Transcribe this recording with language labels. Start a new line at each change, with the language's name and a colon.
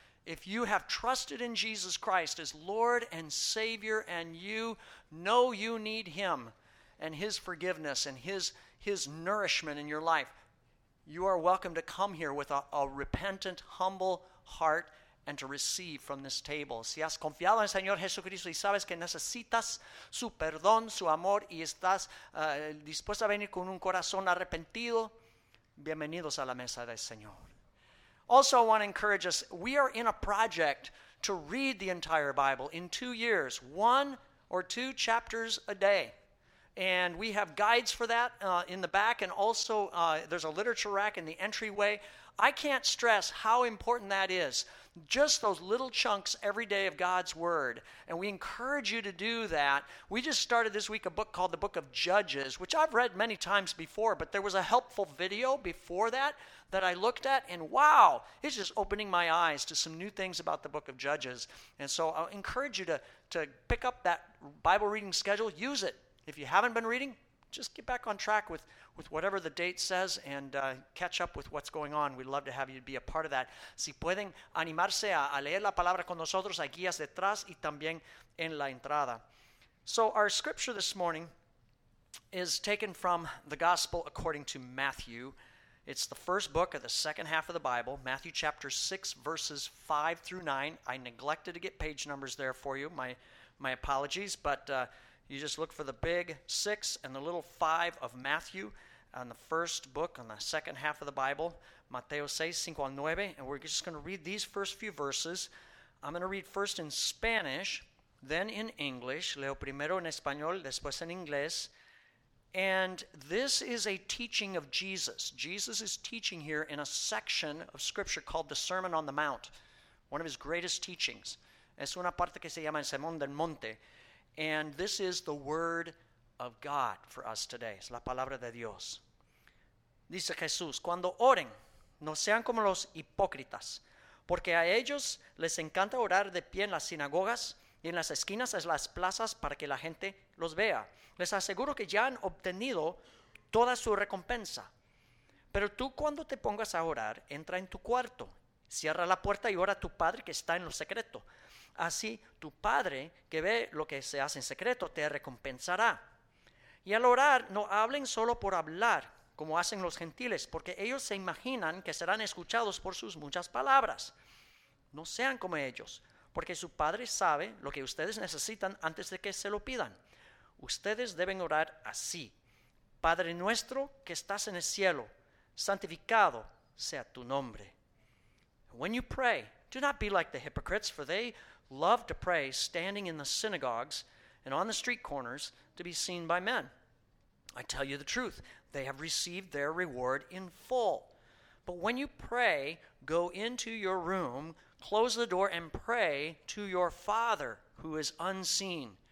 English: If you have trusted in Jesus Christ as Lord and Savior, and you know you need Him and His forgiveness and His nourishment in your life, you are welcome to come here with a repentant, humble heart and to receive from this table.
Spanish: Si has confiado en el Señor Jesucristo y sabes que necesitas su perdón, su amor, y estás dispuesto a venir con un corazón arrepentido, bienvenidos a la mesa del Señor.
English: Also, I want to encourage us, we are in a project to read the entire Bible in 2 years, one or two chapters a day. And we have guides for that in the back, and also there's a literature rack in the entryway. I can't stress how important that is, just those little chunks every day of God's Word. And we encourage you to do that. We just started this week a book called The Book of Judges, which I've read many times before, but there was a helpful video before that that I looked at, and wow, it's just opening my eyes to some new things about the book of Judges. And so I'll encourage you to pick up that Bible reading schedule. Use it. If you haven't been reading, just get back on track with whatever the date says and catch up with what's going on. We'd love to have you be a part of that.
Spanish: Si pueden animarse a leer la palabra con nosotros, hay guías detrás y también en la entrada.
English: So our scripture this morning is taken from the Gospel according to Matthew. It's the first book of the second half of the Bible, Matthew chapter 6, verses 5 through 9. I neglected to get page numbers there for you. My apologies, but you just look for the big 6 and the little 5 of Matthew on the first book on the second half of the Bible,
Spanish: Mateo 6, 5 al 9.
English: And we're just going to read these first few verses. I'm going to read first in Spanish, then in English.
Spanish: Leo primero en español, después en inglés.
English: And this is a teaching of Jesus. Jesus is teaching here in a section of Scripture called the Sermon on the Mount, one of his greatest teachings.
Spanish: Es una parte que se llama el Sermón del Monte.
English: And this is the Word of God for us today.
Spanish: Es la palabra de Dios. Dice Jesús, cuando oren, no sean como los hipócritas, porque a ellos les encanta orar de pie en las sinagogas y en las esquinas de las plazas para que la gente los vea. Les aseguro que ya han obtenido toda su recompensa. Pero tú, cuando te pongas a orar, entra en tu cuarto, cierra la puerta y ora a tu Padre que está en lo secreto. Así tu Padre, que ve lo que se hace en secreto, te recompensará. Y al orar, no hablen solo por hablar, como hacen los gentiles, porque ellos se imaginan que serán escuchados por sus muchas palabras. No sean como ellos, porque su Padre sabe lo que ustedes necesitan antes de que se lo pidan. Ustedes deben orar así. Padre nuestro que estás en el cielo, santificado sea tu nombre.
English: When you pray, do not be like the hypocrites, for they love to pray standing in the synagogues and on the street corners to be seen by men. I tell you the truth, they have received their reward in full. But when you pray, go into your room, close the door, and pray to your Father who is unseen.